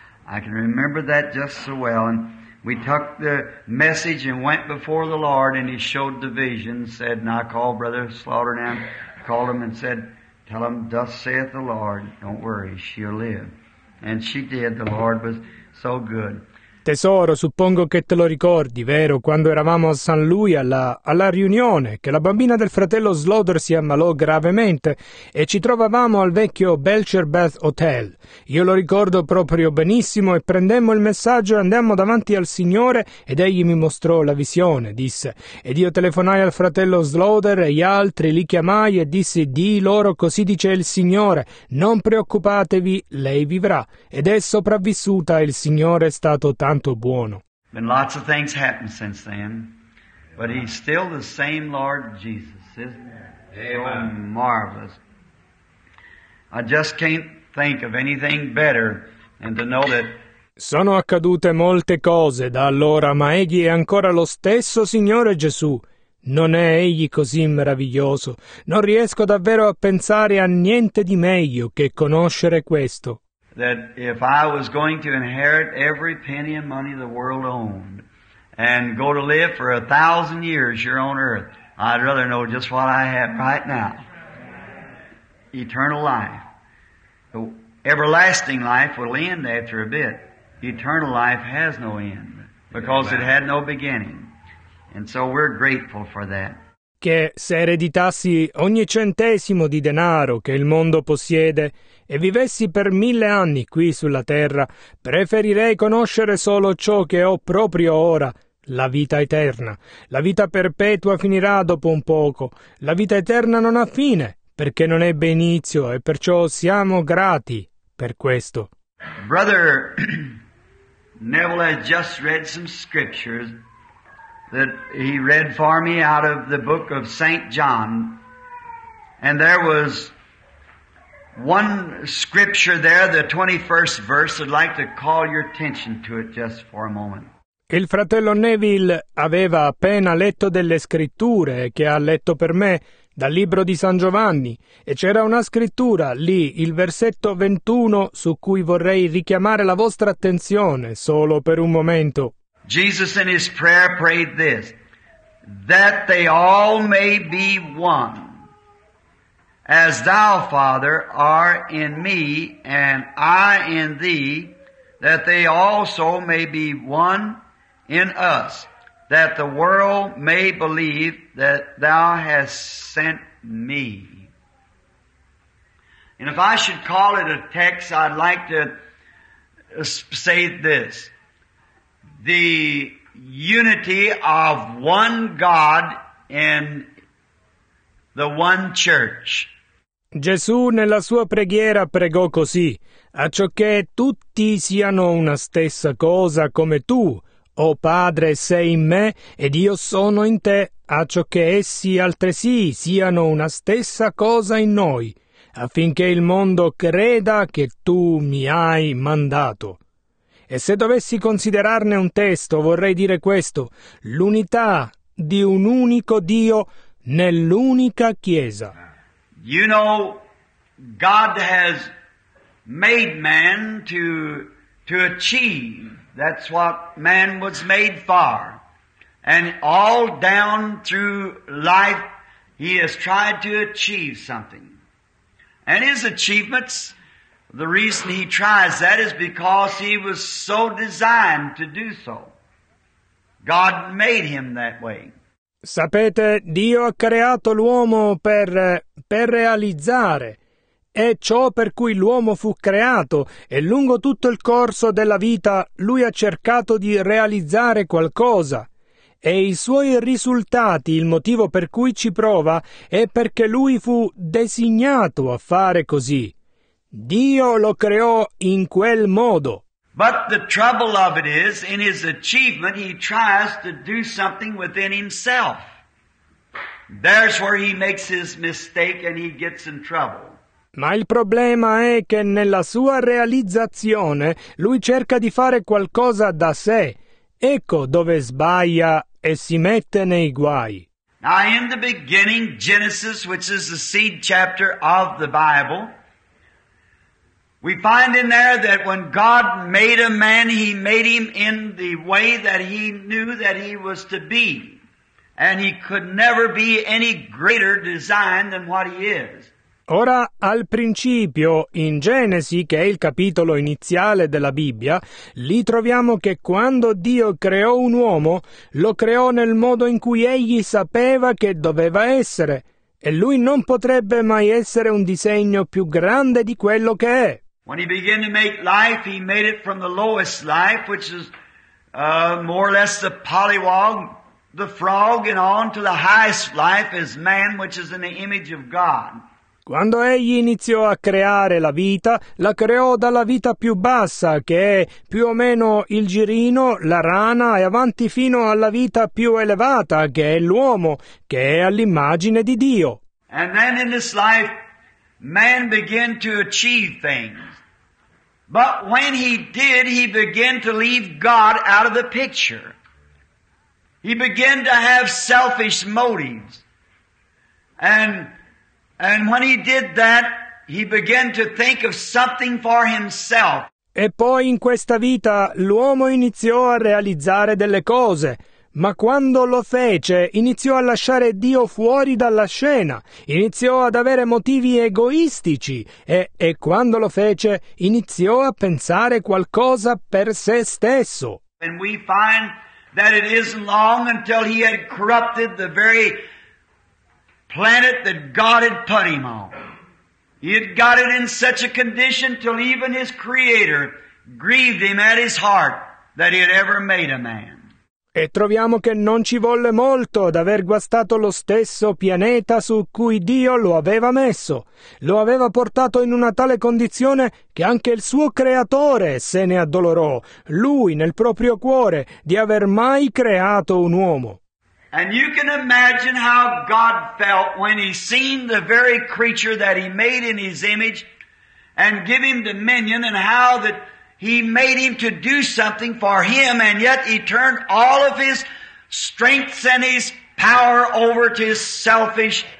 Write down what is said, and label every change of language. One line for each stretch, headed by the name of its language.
English: I can remember that just so well. And we took the message and went before the Lord, and he showed the vision, said, and I called Brother Slaughter now, called him and said, tell him, thus saith the Lord, don't worry, she'll live. And she did, the Lord was so good.
Italian: Tesoro, suppongo che te lo ricordi, vero? Quando eravamo a San Luis alla riunione, che la bambina del fratello Slaughter si ammalò gravemente e ci trovavamo al vecchio Belcher Bath Hotel. Io lo ricordo proprio benissimo e prendemmo il messaggio e andammo davanti al Signore ed egli mi mostrò la visione, disse. Ed io telefonai al fratello Slaughter e gli altri, li chiamai e dissi, di loro così dice il Signore, non preoccupatevi, lei vivrà. Ed è sopravvissuta, il Signore è stato tanto buono.
English: Been lots of things happened since then, but he's still the same Lord Jesus, isn't he? Amen. So marvelous. I just can't think of anything better than to know that.
Italian: Sono accadute molte cose da allora, ma egli è ancora lo stesso Signore Gesù. Non è egli così meraviglioso? Non riesco davvero a pensare a niente di meglio che conoscere questo.
English: That if I was going to inherit every penny of money the world owned and go to live for 1,000 years here on earth, I'd rather know just what I have right now. Eternal life. The everlasting life will end after a bit. Eternal life has no end because it had no beginning. And so we're grateful for that.
Italian: Che se ereditassi ogni centesimo di denaro che il mondo possiede e vivessi per 1,000 anni qui sulla terra, preferirei conoscere solo ciò che ho proprio ora, la vita eterna. La vita perpetua finirà dopo un poco. La vita eterna non ha fine, perché non ebbe inizio, e perciò siamo grati per questo.
English: Brother Neville has just read some scriptures that he read for me out of the book of St. John. And there was one scripture there, the 21st verse. I'd like to call your attention to it just for a moment.
Italian: Il fratello Neville aveva appena letto delle scritture che ha letto per me dal libro di San Giovanni, e c'era una scrittura lì, il versetto 21, su cui vorrei richiamare la vostra attenzione solo per un momento.
English: Jesus in his prayer prayed this, that they all may be one, as thou, Father, art in me, and I in thee, that they also may be one in us, that the world may believe that thou hast sent me. And if I should call it a text, I'd like to say this. The unity of one God in the one church.
Italian: Gesù nella sua preghiera pregò così, acciocché tutti siano una stessa cosa come tu, o Padre, sei in me ed io sono in te, acciocché essi altresì siano una stessa cosa in noi, affinché il mondo creda che tu mi hai mandato. E se dovessi considerarne un testo, vorrei dire questo: l'unità di un unico Dio nell'unica Chiesa.
English: You know, God has made man to achieve. That's what man was made for. And all down through life, he has tried to achieve something. And his achievements, the reason he tries that is because he was so designed to do so. God made him that way.
Italian: Sapete, Dio ha creato l'uomo per realizzare. È ciò per cui l'uomo fu creato, e lungo tutto il corso della vita lui ha cercato di realizzare qualcosa. E i suoi risultati, il motivo per cui ci prova, è perché lui fu designato a fare così. Dio lo creò in quel modo.
English: But the trouble of it is, in his achievement, he tries to do something within himself. There's where he makes his mistake and he gets in trouble.
Italian: Ma il problema è che nella sua realizzazione lui cerca di fare qualcosa da sé. Ecco dove sbaglia e si mette nei guai.
English: Now in the beginning, Genesis, which is the seed chapter of the Bible, we find in there that when God made a man, he made him in the way that he knew that he was to be. And he could never be any greater design than what he is.
Italian: Ora, al principio, in Genesi, che è il capitolo iniziale della Bibbia, lì troviamo che quando Dio creò un uomo, lo creò nel modo in cui egli sapeva che doveva essere, e lui non potrebbe mai essere un disegno più grande di quello che è.
English: When he began to make life, he made it from the lowest life, which is more or less the polywog, the frog, and on to the highest life is man, which is in the image of God.
Italian: Quando egli iniziò a creare la vita, la creò dalla vita più bassa, che è più o meno il girino, la rana, e avanti fino alla vita più elevata, che è l'uomo, che è all'immagine di Dio.
English: And then in this life, man began to achieve things. But when he did, he began to leave God out of the picture. He began to have selfish motives. And when he did that, he began to think of something for himself.
Italian: E poi in questa vita l'uomo iniziò a realizzare delle cose, ma quando lo fece iniziò a lasciare Dio fuori dalla scena, iniziò ad avere motivi egoistici e quando lo fece iniziò a pensare qualcosa per se stesso.
English: And we find that it isn't long until he had corrupted the very planet that God had put him on. He had got it in such a condition till even his creator grieved him at his heart that he had ever made a man.
Italian: E troviamo che non ci volle molto ad aver guastato lo stesso pianeta su cui Dio lo aveva messo. Lo aveva portato in una tale condizione che anche il suo creatore se ne addolorò, lui nel proprio cuore, di aver mai creato un uomo.
English: And you can imagine how God felt when he seen the very creature that he made in his image and give him dominion, and how that he made him to do something for him, and yet he turned all of his strengths and his power over to his selfish